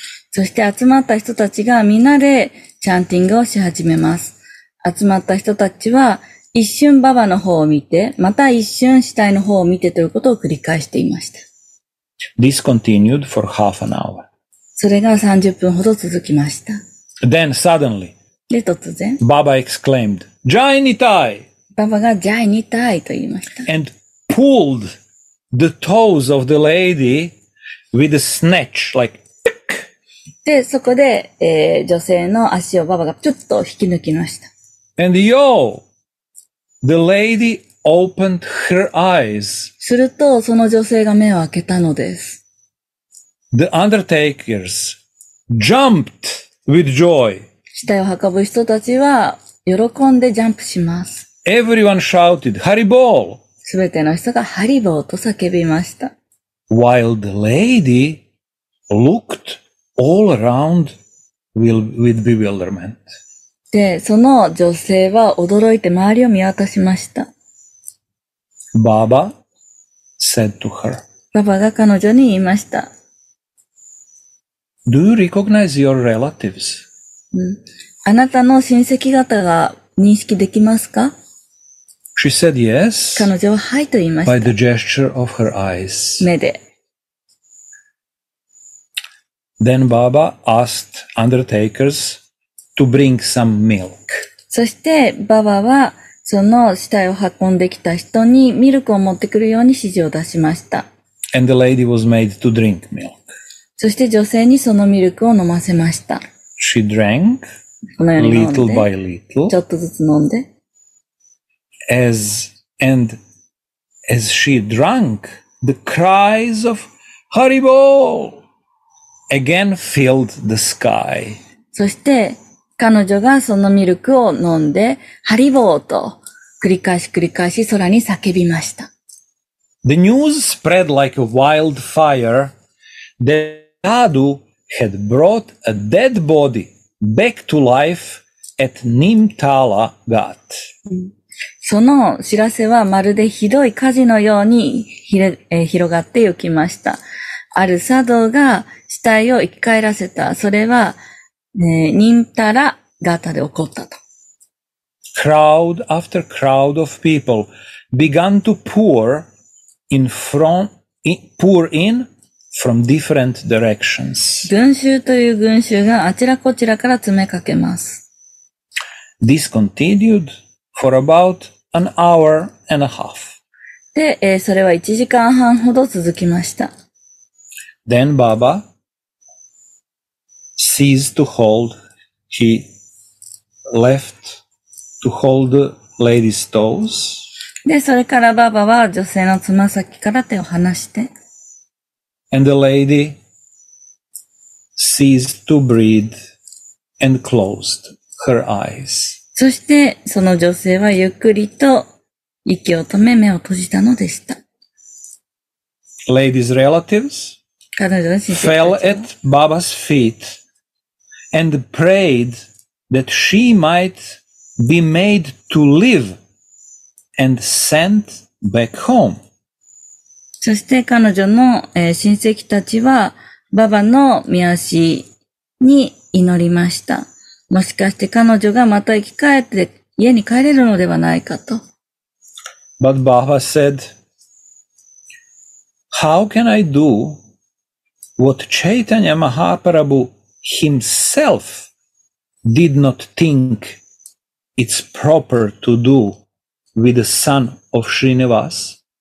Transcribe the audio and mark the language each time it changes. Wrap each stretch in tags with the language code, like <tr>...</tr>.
<ja>そして集まった人たちがみんなでチャンティングをし始めます。集まった人たちは一瞬ババの方を見て、また一瞬死体の方を見てということを繰り返していました。</ja> <en>This continued for half an hour.</en> <ja>それが30分ほど続きました。</ja> <en>Then suddenly,</en> <ja>で突然、</ja> <en>Baba exclaimed, Jai Nitai!</en> <ja>ババが Jai Nitai と言いました。</ja> <en>And pulled the toes of the lady with a snatch, like, pick!</en> <ja>で、そこで、女性の足をババがちょっと引き抜きました。</ja> <en>And yo! The lady opened her eyes.</en> <ja>すると、その女性が目を開けたのです。</ja> <en>The undertakers jumped with joy.</en> <ja>死体を運ぶ人たちは喜んでジャンプします。</ja> <en>Everyone shouted, Haribol!</en> <ja>すべての人がハリボーと叫びました。</ja> <en>While the lady looked all around with bewilderment.</en> <ja>で、その女性は驚いて周りを見渡しました。</ja> <en>Baba said to her.</en> <ja>Baba が彼女に言いました。</ja> <en>Do you recognize your relatives?</en> <ja>あなたの親戚方が認識できますか?</ja> <en>She said yes.</en> <ja>彼女ははいと言いました。</ja> <en>By the gesture of her eyes.</en> <ja>目で。</ja> <en>Then Baba asked undertakers,To bring some milk.</en> <ja>そして、ババは、その死体を運んできた人にミルクを持ってくるように指示を出しました。</ja> <en>And the lady was made to drink milk.</en> <ja>そして、女性にそのミルクを飲ませました。</ja> <en>She drank, little by little.</en> <ja>ちょっとずつ飲んで。</ja> <en>As she drank, the cries of Haribo again filled the sky.</en> <ja>そして、彼女がそのミルクを飲んで、ハリボーと繰り返し繰り返し空に叫びました。</ja> <en>The news spread like a wildfire that Sadhu had brought a dead body back to life at Nimtala Ghat.</en> <ja>その知らせはまるでひどい火事のように広がっていきました。ある茶道が死体を生き返らせた。それは、ニンタラガタで起こったと。</ja> <en>Crowd after crowd of people began to pour in from different directions.</en> <ja>群衆という群衆があちらこちらから詰めかけます。</ja> <en>This continued for about an hour and a half.</en> <ja>で、それは1時間半ほど続きました。</ja> <en>Then Baba ceased to hold, he left to hold the lady's toes.</en> <ja>で、それからババは女性のつま先から手を離して。</ja> <en>And the lady ceased to breathe and closed her eyes.</en> <ja>そしてその女性はゆっくりと息を止め目を閉じたのでした。</ja> <en>Lady's relatives fell at Baba's feet and prayed that she might be made to live and sent back home.</en> <ja>そして彼女の、親戚たちはババの御足に祈りました。もしかして彼女がまた生き返って家に帰れるのではないかと。</ja> <en>But Baba said, How can I do what Chaitanya Mahaprabhu himself did not think it's proper to do with the son of Srinivas?</en>